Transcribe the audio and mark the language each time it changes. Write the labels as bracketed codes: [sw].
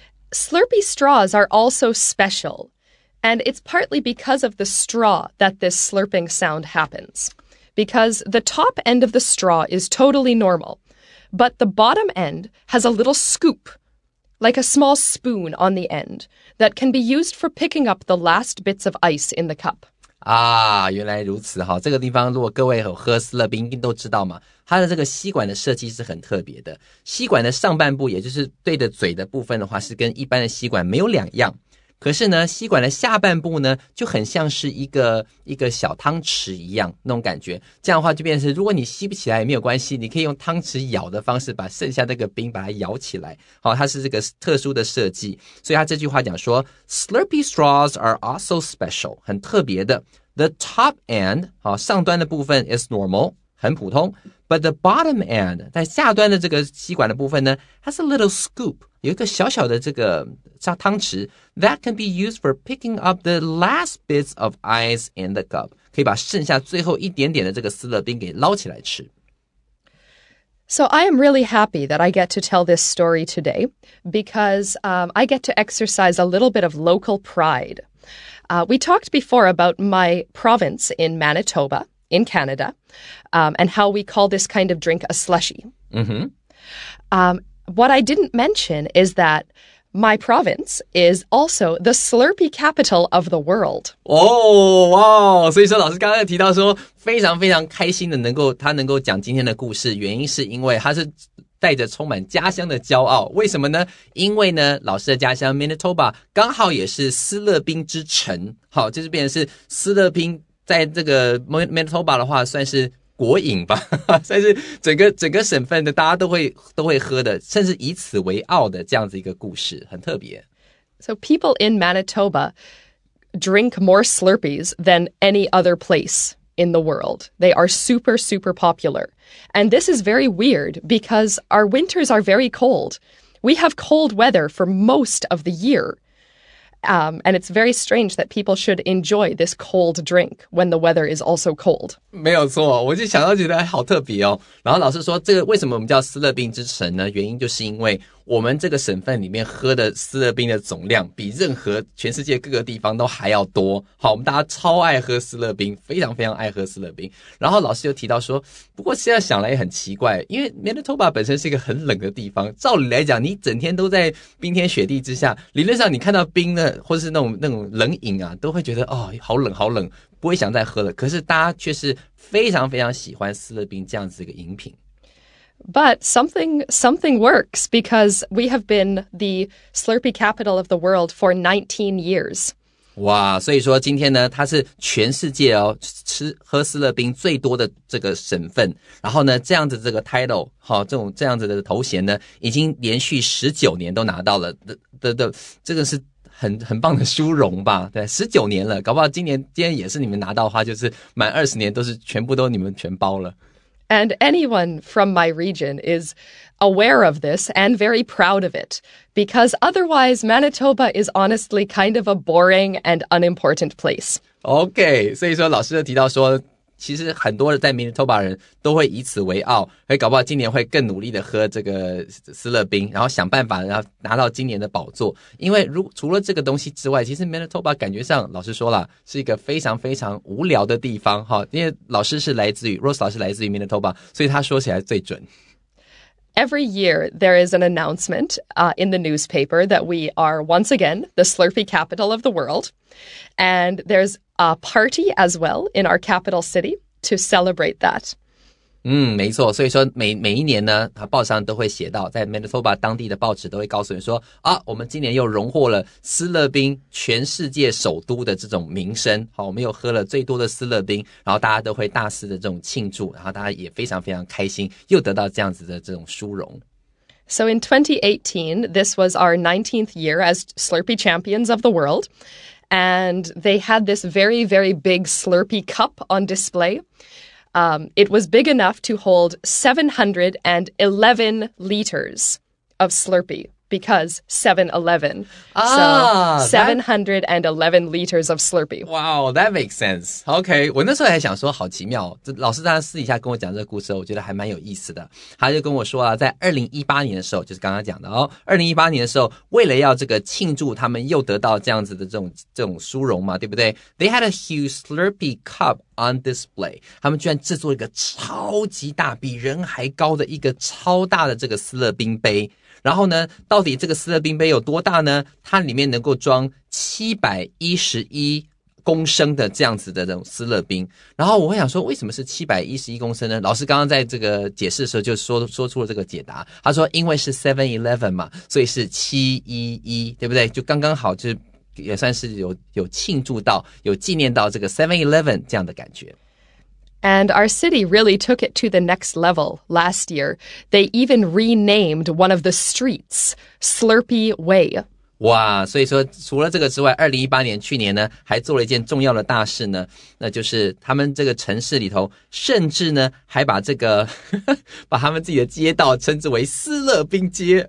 [en] Slurpy straws are also special, and it's partly because of the straw that this slurping sound happens. Because the top end of the straw is totally normal, but the bottom end has a little scoop, like a small spoon on the end, that can be used for picking up the last bits of ice in the cup. [zh] 啊，原来如此哈，这个地方如果各位有喝思乐冰都知道嘛，它的这个吸管的设计是很特别的。吸管的上半部，也就是对着嘴的部分的话，是跟一般的吸管没有两样。可是呢，吸管的下半部呢，就很像是一个小汤匙一样那种感觉。这样的话就变成，如果你吸不起来也没有关系，你可以用汤匙咬的方式把剩下那个冰把它咬起来。好，它是这个特殊的设计。所以它这句话讲说 , [en] Slurpy straws are also special, [zh] 很特别的。 [en] The top end, [zh] 好，上端的部分 [en] is normal, [zh] 很普通。 [en] But the bottom end, [zh] 在下端的这个吸管的部分呢 [en] ,has a little scoop, [zh] 有一个小小的这个汤匙 [en] that can be used for picking up the last bits of ice in the cup. [zh] 可以把剩下最后一点点的这个思乐冰给捞起来吃。 [en] So I am really happy that I get to tell this story today because I get to exercise a little bit of local pride. We talked before about my province in Manitoba, in Canada, and how we call this kind of drink a slushy. Mm-hmm. What I didn't mention is thatMy province is also the Slurpee capital of the world. Oh, wow! [zh] 所以说老师刚刚提到说非常非常开心的能够他能够讲今天的故事，原因是因为他是带着充满家乡的骄傲。为什么呢？因为呢，老师的家乡 Manitoba 刚好也是思乐冰之城。好，就是变成是思乐冰在这个 Manitoba 的话算是国饮吧，算是整个省份的大家都会喝的，甚至以此为傲的这样子一个故事，很特别。 [en] So people in Manitoba drink more Slurpees than any other place in the world. They are super, super popular. And this is very weird because our winters are very cold. We have cold weather for most of the year. And it's very strange that people should enjoy this cold drink when the weather is also cold. [zh] 没有错，我就想到觉得好特别哦。然后老师说，这个为什么我们叫思乐冰之城呢？原因就是因为我们这个省份里面喝的思乐冰的总量比任何全世界各个地方都还要多。好，我们大家超爱喝思乐冰，非常非常爱喝思乐冰。然后老师就提到说，不过现在想来也很奇怪，因为 Manitoba 本身是一个很冷的地方，照理来讲，你整天都在冰天雪地之下，理论上你看到冰呢，或是那种冷饮啊，都会觉得哦，好冷好冷，不会想再喝了。可是大家却是非常非常喜欢思乐冰这样子一个饮品。 [en] But something works because we have been the Slurpee capital of the world for 19 years. [zh] 哇，所以说今天呢，它是全世界哦喝思乐冰最多的这个省份。然后呢，这样子这个 title 好、哦，这样子的头衔呢，已经连续19年都拿到了。的这个是很棒的殊荣吧？对，19年了，搞不好今年也是你们拿到的话，就是满20年都是全部都你们全包了。 [en] And anyone from my region is aware of this and very proud of it, because otherwise Manitoba is honestly kind of a boring and unimportant place. [zh] Okay, 所以说老师就提到说，其实很多在 Manitoba 人都会以此为傲，所以搞不好今年会更努力的喝这个思乐冰，然后想办法然后拿到今年的宝座。因为如除了这个东西之外，其实 Manitoba 感觉上老师说了是一个非常非常无聊的地方，因为老师是来自于 Rose 老师来自于 Manitoba， 所以他说起来最准。 [en] Every year, there is an announcement in the newspaper that we are once again the Slurpee capital of the world. And there's a party as well in our capital city to celebrate that. [zh] 嗯，没错。所以说每一年呢，它报上都会写到，在 Manitoba 当地的报纸都会告诉你说啊，我们今年又荣获了思乐冰全世界首都的这种名声。好，我们又喝了最多的思乐冰，然后大家都会大肆的这种庆祝，然后大家也非常非常开心，又得到这样子的这种殊荣。 [en] So in 2018, this was our 19th year as Slurpee champions of the world, and they had this very very big Slurpee cup on display. It was big enough to hold 711 liters of Slurpee, because 7-11. Ah, so 711 liters of Slurpee. Wow, that makes sense. [zh] Okay, 我那时候还想说好奇妙，老师当时私底下跟我讲这个故事，我觉得还蛮有意思的。他就跟我说啊，在2018年的时候，就是刚刚讲的哦， 2018年的时候，为了要这个庆祝他们又得到这样子的这种殊荣嘛，对不对？ [en] They had a huge Slurpee cup. On display, [zh] 他们居然制作一个超级大，比人还高的一个超大的这个思乐冰杯。然后呢，到底这个思乐冰杯有多大呢？它里面能够装711公升的这样子的这种思乐冰。然后我会想说，为什么是711公升呢？老师刚刚在这个解释的时候就说出了这个解答。他说，因为是711嘛，所以是711，对不对？就刚刚好就是。也算是有庆祝到，有纪念到这个 7-Eleven 这样的感觉。 [en] And our city really took it to the next level last year. They even renamed one of the streets Slurpee Way. [zh] 哇，所以说除了这个之外，2018年去年呢，还做了一件重要的大事呢，那就是他们这个城市里头，甚至呢，还把这个把他们自己的街道称之为思乐冰街。